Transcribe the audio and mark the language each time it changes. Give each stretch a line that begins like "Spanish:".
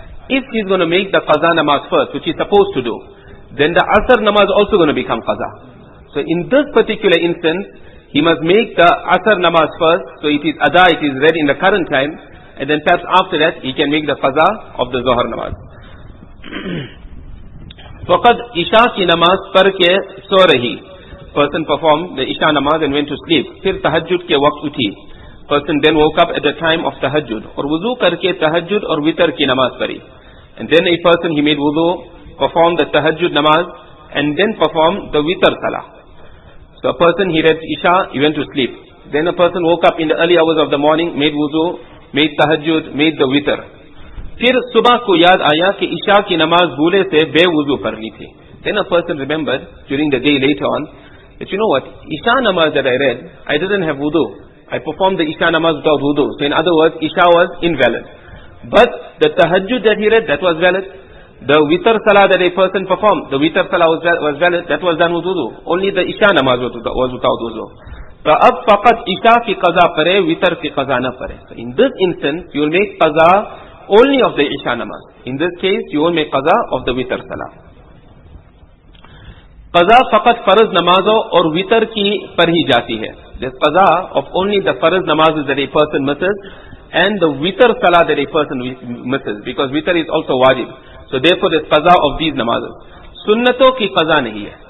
English: If he's going to make the Qaza namaz first, which he's supposed to do, then the Asr namaz is also going to become Qaza. So in this particular instance, he must make the Asr namaz first, so it is Ada, it is read in the current time, and then perhaps after that, he can make the Qaza of the Zohar namaz.
Urdu: فقد عشاء کی نماز پڑھ کے سو رہی.
English: Person performed the عشاء نماز and went to sleep. پھر تہجد کے وقت اٹھی. Person then woke up at the time of
Urdu: تہجد اور وضو کر کے تہجد اور وتر کی نماز پڑھی.
English: And then a person, he made wudu, performed the تہجد نماز and then performed the وتر salah. So a person, he read عشاء, he went to sleep. Then a person woke up in the early hours of the morning, made wudu, made تہجد, made the وتر.
Urdu: پھر صبح کو یاد آیا کہ عشاء کی نماز بھولے سے بے وضو پڑھنی تھی.
English: Then a person remembered during the day later on that, you know what, عشاء نماز that I read, I didn't have wudu. I performed the عشاء نماز without wudu. So in other words, عشاء was invalid. But the تہجد that he read, that was valid. The وتر salah that a person performed, the وتر salah was valid. That was done with wudu. Only the عشاء نماز was without wudu.
Urdu: تو اب فقط عشاء کی قضا پڑے, وتر کی قضا نہ پڑے.
English: So in this instance, you will make قضا only of the عشاء namaz. In this case, you will make qaza of the witr salah.
Urdu: Qaza faqat farz namazo aur witr ki parhi jati hai.
English: This qaza of only the farz namazes that a person misses and the witr salah that a person misses, because witr is also wajib. So therefore, this qaza of these namazes.
Urdu: Sunnato ki qaza nahi hai.